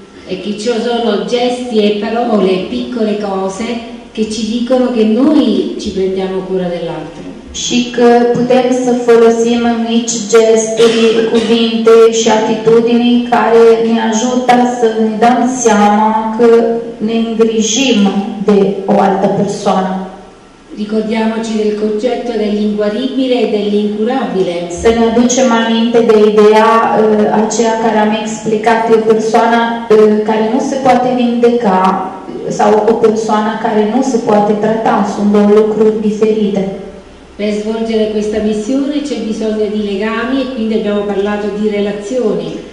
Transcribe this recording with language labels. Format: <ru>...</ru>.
<it>E che ci sono gesti e parole, piccole cose, che ci dicono che noi ci prendiamo cura dell'altro.</it> <ro>Și că putem să folosim mici gesturi, cuvinte și atitudini care ne ajută să ne dăm seama că ne îngrijim de o altă persoană.</ro> <it>Ricordiamoci del concetto dell'inguaribile e dell'incurabile.</it> <ro>Să ne aducem aminte de ideea aceea care am explicat, o persoană care nu se poate vindeca sau o persoană care nu se poate trata, sunt două lucruri diferite.</ro> <it>Per svolgere questa missione c'è bisogno di legami e quindi abbiamo parlato di relazioni.</it>